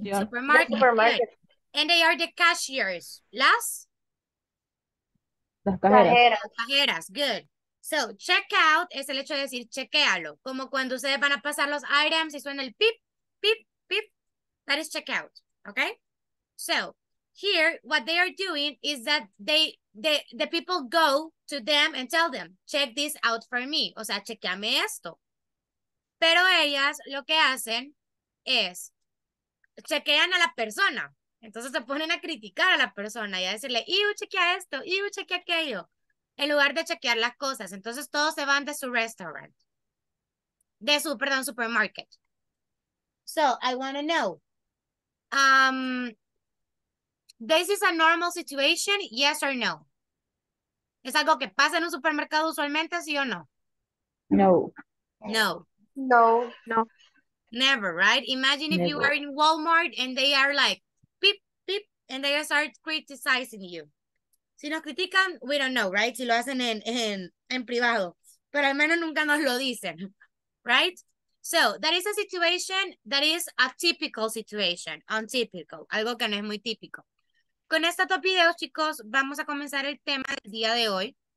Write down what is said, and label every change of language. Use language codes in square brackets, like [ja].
[en] Supermarket. Supermarket. And they are the cashiers. Las? [es] Las cajeras. Las cajeras. Good. So, check out es el hecho de decir chequealo. Como cuando ustedes van a pasar los items y suena el pip, pip, pip. [en] That is check out. Okay? So, here, what they are doing is that the people go to them and tell them, check this out for me. [es] O sea, chequeame esto. Pero ellas lo que hacen es chequean a la persona. Entonces se ponen a criticar a la persona y a decirle, iu, chequea esto, iu, chequea aquello. En lugar de chequear las cosas. Entonces todos se van de su restaurant. De su, perdón, [en] supermarket. So, I want to know. This is a normal situation, yes or no? [es] ¿Es algo que pasa en un supermercado usualmente, sí o no? No. No. No, no. [en] Never, right? Imagine never. If you were in Walmart and they are like, beep, beep, and they start criticizing you. [es] Si nos critican, [en] we don't know, right? [es] Si lo hacen en privado. Pero al menos nunca nos lo dicen, [en] right? So, that is a situation that is a typical situation. [es] Untypical. Algo que no es muy típico. Con estos dos videos, chicos, vamos a comenzar el tema del día de hoy.